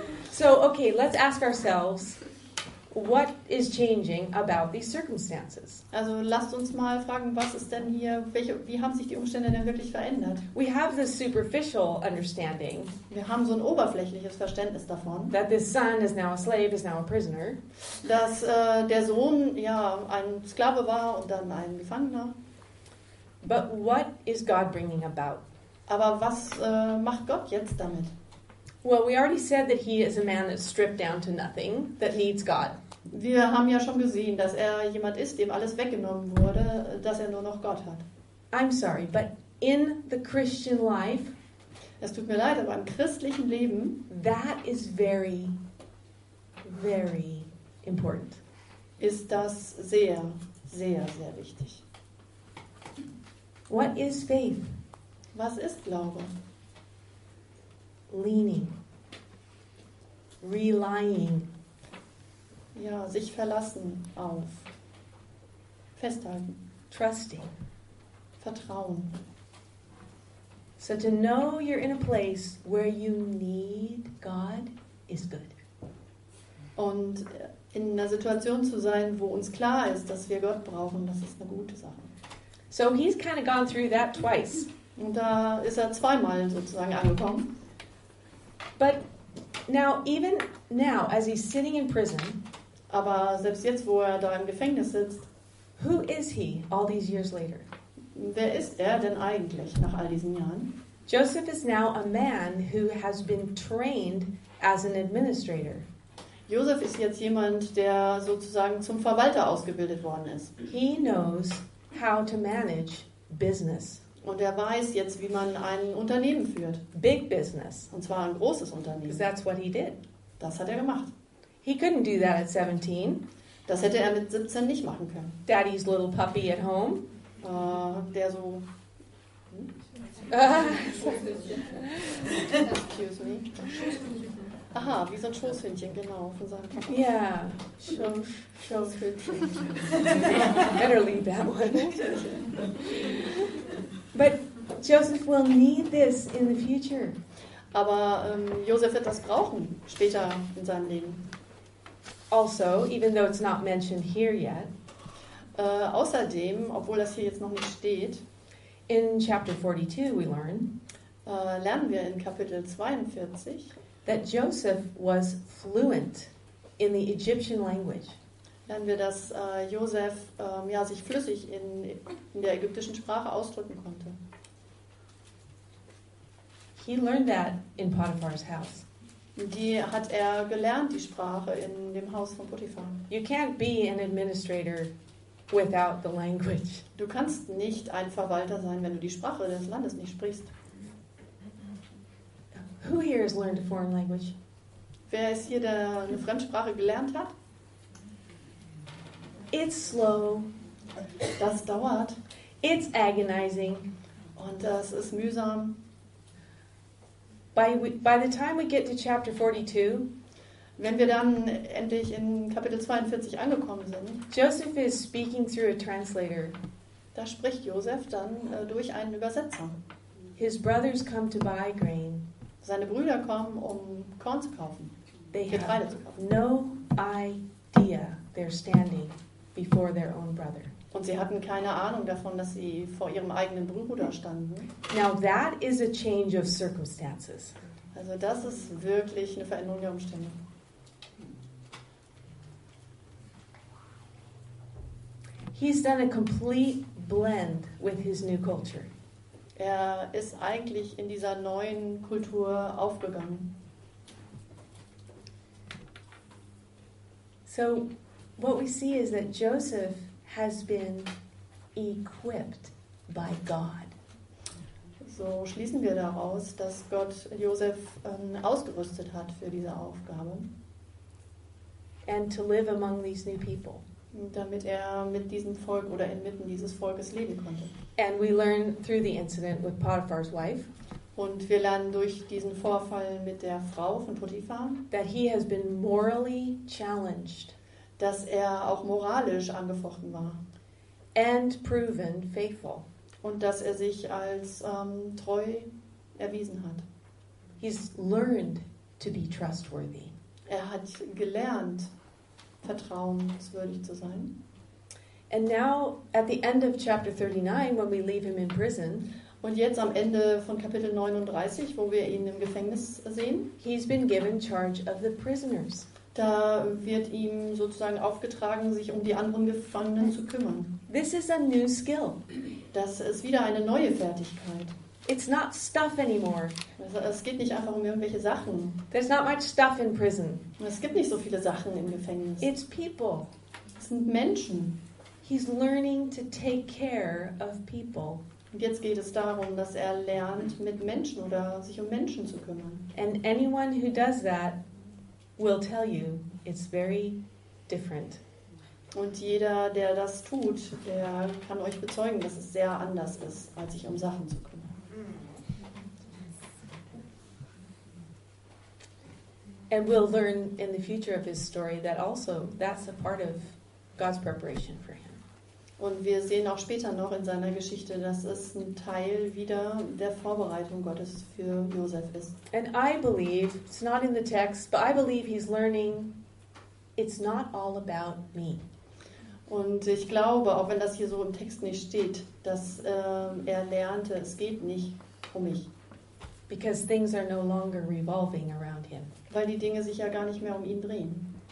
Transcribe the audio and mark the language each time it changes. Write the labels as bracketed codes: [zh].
[en] So, okay, let's ask ourselves, what is changing about these circumstances? [de] Also, lasst uns mal fragen, was ist denn hier, wie haben sich die Umstände denn wirklich verändert? [en] We have this superficial understanding. [de] Wir haben so ein oberflächliches Verständnis davon. [en] That this son is now a slave, is now a prisoner. [de] Dass der Sohn, ja, ein Sklave war und dann ein Gefangener. [en] But what is God bringing about? [de] Aber was macht Gott jetzt damit? [en] Well, we already said that he is a man that's stripped down to nothing, that needs God. [de] Wir haben ja schon gesehen, dass er jemand ist, dem alles weggenommen wurde, dass er nur noch Gott hat. [en] I'm sorry, but in the Christian life, [de] es tut mir leid, aber im christlichen Leben, [en] that is very, very important. [de] Ist das sehr, sehr, sehr wichtig. [en] What is faith? [de] Was ist Glaube? [en] Leaning. Relying. [de] Ja, sich verlassen auf. Festhalten. [en] Trusting. [de] Vertrauen. [en] So to know you're in a place where you need God is good. [de] Und in einer Situation zu sein, wo uns klar ist, dass wir Gott brauchen, das ist eine gute Sache. [en] So he's kind of gone through that twice. [de] Und da ist er zweimal sozusagen angekommen. [en] But now, even now, as he's sitting in prison, [de] aber selbst jetzt, wo er da im Gefängnis sitzt, [en] who is he all these years later? [de] Wer ist er denn eigentlich nach all diesen Jahren? [en] Joseph is now a man who has been trained as an administrator. [de] Josef ist jetzt jemand, der sozusagen zum Verwalter ausgebildet worden ist. [en] He knows how to manage business. [de] Und er weiß jetzt, wie man ein Unternehmen führt. [en] Big business. [de] Und zwar ein großes Unternehmen. [en] That's what he did. [de] Das hat er gemacht. [en] He couldn't do that at 17. [de] Das hätte er mit 17 nicht machen können. [en] Daddy's little puppy at home. [de] Der so... [en] Excuse me. [de] Aha, wie so ein Schoßhündchen, genau, von seinem Papa. [en] Yeah. [de] Schoßhündchen. [en] Better leave that one. But Joseph will need this in the future. [de] Aber Joseph wird das brauchen, später in seinem Leben. [en] Also, even though it's not mentioned here yet, [de] außerdem, obwohl das hier jetzt noch nicht steht, [en] in chapter 42 we learn, [de] lernen wir in Kapitel 42, [en] that Joseph was fluent in the Egyptian language. [de] Lernen wir, dass Joseph ja, sich flüssig in der ägyptischen Sprache ausdrücken konnte. [en] He learned that in Potiphar's house. [de] Die hat er gelernt, die Sprache, in dem Haus von Potiphar. [en] You can't be an administrator without the language. [de] Du kannst nicht ein Verwalter sein, wenn du die Sprache des Landes nicht sprichst. [en] Who here has learned a foreign language? [de] Wer ist hier, der eine Fremdsprache gelernt hat? [en] It's slow. [de] Das dauert. [en] It's agonizing. [de] Und das ist mühsam. [en] By the time we get to chapter 42, [de] wenn wir dann endlich in Kapitel 42 angekommen sind, [en] Joseph is speaking through a translator. [de] Da spricht Joseph dann durch einen Übersetzer. [en] His brothers come to buy grain. [de] Seine Brüder kommen, um Korn zu kaufen, [en] they [de] Getreide zu kaufen. [en] No idea they're standing before their own brother. [de] Und sie hatten keine Ahnung davon, dass sie vor ihrem eigenen Bruder standen. [en] Now that is a change of circumstances. [de] Also das ist wirklich eine Veränderung der Umstände. [en] He's done a complete blend with his new culture. [de] Er ist eigentlich in dieser neuen Kultur aufgegangen. [en] So, what we see is that Joseph has been equipped by God. [de] So schließen wir daraus, dass Gott Joseph ausgerüstet hat für diese Aufgabe. [en] And to live among these new people. [de] Damit er mit diesem Volk oder inmitten dieses Volkes leben konnte. [en] And we learn through the incident with Potiphar's wife. [de] Und wir lernen durch diesen Vorfall mit der Frau von Potiphar, [en] that he has been morally challenged, [de] dass er auch moralisch angefochten war, [en] and proven faithful, [de] und dass er sich als treu erwiesen hat. [en] He's learned to be trustworthy. [de] Er hat gelernt, vertrauenswürdig zu sein. [en] And now at the end of chapter 39, when we leave him in prison, [de] und jetzt am Ende von Kapitel 39, wo wir ihn im Gefängnis sehen, [en] he's been given charge of the prisoners. [de] Da wird ihm sozusagen aufgetragen, sich um die anderen Gefangenen zu kümmern. [en] This is a new skill. [de] Das ist wieder eine neue Fertigkeit. [en] It's not stuff anymore. [de] Es geht nicht einfach um irgendwelche Sachen. [en] There's not much stuff in prison. [de] Es gibt nicht so viele Sachen im Gefängnis. [en] It's people. [de] Es sind Menschen. [en] He's learning to take care of people. [de] Und jetzt geht es darum, dass er lernt, mit Menschen oder sich um Menschen zu kümmern. [en] And anyone who does that will tell you it's very different. [de] Und jeder, der das tut, der kann euch bezeugen, dass es sehr anders ist, als sich um Sachen zu kümmern. [en] And we'll learn in the future of his story that also that's a part of God's preparation for him. [de] Und wir sehen auch später noch in seiner Geschichte, dass es ein Teil wieder der Vorbereitung Gottes für Josef ist. [en] And I believe, it's not in the text, but I believe he's learning, it's not all about me. [de] Und ich glaube, auch wenn das hier so im Text nicht steht, dass er lernte, es geht nicht um mich. [en] Because things are no longer revolving around him. [de] Weil die Dinge sich ja gar nicht mehr um ihn drehen.